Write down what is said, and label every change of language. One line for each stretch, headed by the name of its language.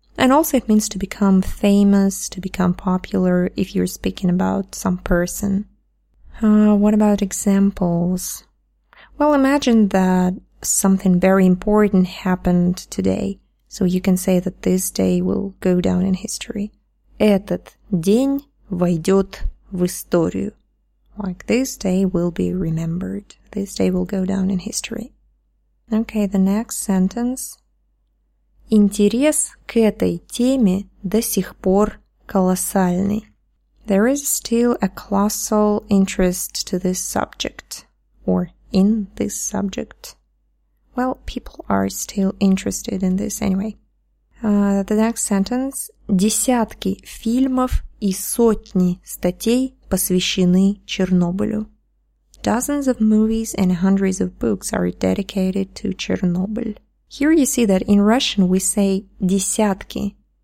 English: And also it means to become famous, to become popular if you're speaking about some person. What about examples? Well, imagine that something very important happened today. So you can say that this day will go down in history.
Russian: Этот день войдет в историю.
English: Like, this day will be remembered. This day will go down in history. Okay, the next sentence.
Russian: Интерес к этой теме до сих пор колоссальный.
English: There is still a colossal interest to this subject. Or in this subject. Well, people are still interested in this anyway. The next sentence.
Russian: Десятки фильмов и сотни статей посвящены Чернобылю.
English: Dozens of movies and hundreds of books are dedicated to Chernobyl. Here you see that in Russian we say десятки.